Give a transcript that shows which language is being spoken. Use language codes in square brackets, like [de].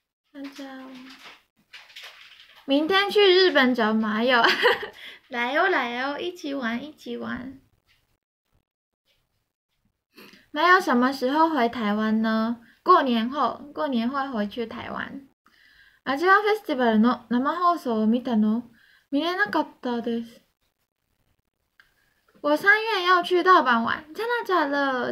[zh] 大家，明天去日本找马友，来哦来哦，一起玩一起玩。没有什么时候回台湾呢？过年后，过年会回去台湾。 [ja] アジアフェスティバルの生放送を見たの？見れなかったです。 [zh] 我3月要去大阪玩，真的假的？